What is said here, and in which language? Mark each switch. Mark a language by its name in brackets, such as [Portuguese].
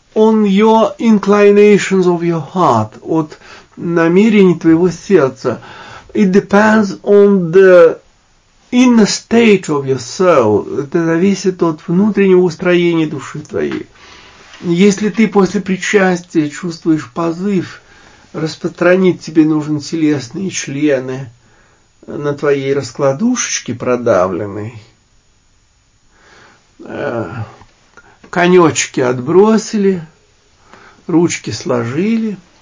[English] On your inclinations of your heart. [Russian] От намерений твоего сердца. [English] It depends on the inner state of your soul. [Russian] Это зависит от внутреннего устроения души твоей. Если ты после причастия чувствуешь позыв распространить тебе нужны телесные члены на твоей раскладушечке продавленной, конечки отбросили, ручки сложили,